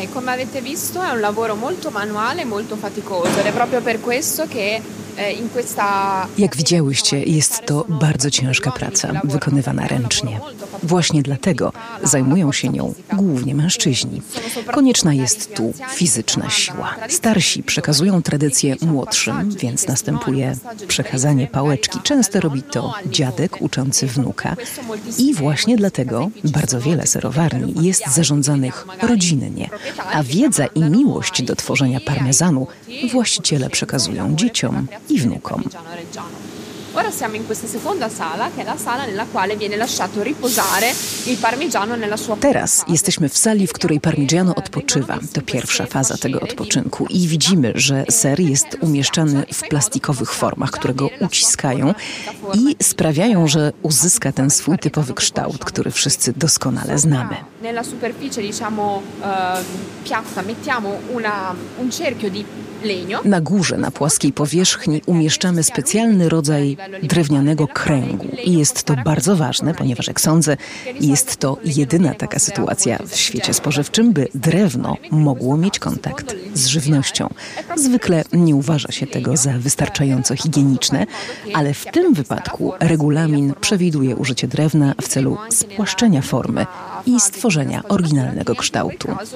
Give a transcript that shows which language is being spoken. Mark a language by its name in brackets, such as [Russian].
[Italian] come avete visto è un lavoro molto manuale, molto faticoso ed è proprio per questo che in questa... [Polish] Jak widziałyście, jest to bardzo ciężka praca, wykonywana ręcznie. Właśnie dlatego zajmują się nią głównie mężczyźni. Konieczna jest tu fizyczna siła. Starsi przekazują tradycję młodszym, więc następuje przekazanie pałeczki. Często robi to dziadek uczący wnuka. I właśnie dlatego bardzo wiele serowarni jest zarządzanych rodzinnie. A wiedza i miłość do tworzenia parmezanu właściciele przekazują dzieciom i wnukom. [Italian] Ora siamo in questa seconda sala, che è la sala nella quale viene lasciato riposare il parmigiano nella sua. [Polish] Teraz jesteśmy w sali, w której parmigiano odpoczywa. To pierwsza faza tego odpoczynku i widzimy, że ser jest umieszczany w plastikowych formach, które go uciskają i sprawiają, że uzyska ten swój typowy kształt, który wszyscy doskonale znamy. [Italian] Nella superficie, diciamo, piatta, mettiamo un cerchio di. [Polish] Na górze, na płaskiej powierzchni umieszczamy specjalny rodzaj drewnianego kręgu. I jest to bardzo ważne, ponieważ jak sądzę, jest to jedyna taka sytuacja w świecie spożywczym, by drewno mogło mieć kontakt z żywnością. Zwykle nie uważa się tego za wystarczająco higieniczne, ale w tym wypadku regulamin przewiduje użycie drewna w celu spłaszczenia formy i stworzenia oryginalnego kształtu.